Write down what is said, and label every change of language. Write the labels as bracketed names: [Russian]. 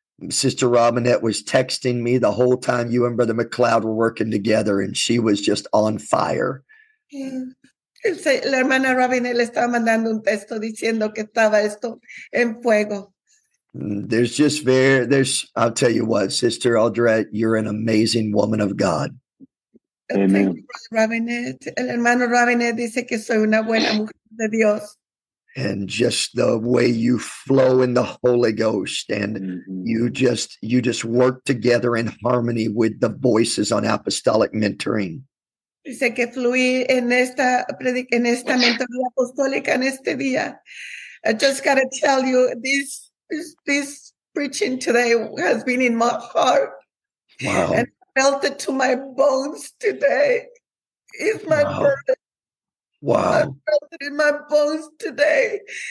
[English] Sister Robinette was texting me the whole time you and Brother McLeod were working together, and she was just on fire. [Spanish] La hermana Robinette le estaba mandando un texto diciendo que estaba esto en fuego. [English] I'll tell you what, Sister Audrette, you're an amazing woman of God. Amen. [Spanish] Robinette, el hermano Robinette dice que soy una buena mujer de Dios. [English] And just the way you flow in the Holy Ghost, and you just work together in harmony with the voices on Apostolic Mentoring. [Spanish] Dice que fluí en esta mentoría apostólica en este día. [English] I just gotta tell you this preaching today has been in my heart. Wow. And felt it to my bones today. It's my birthday. Wow. I felt it in my bones today.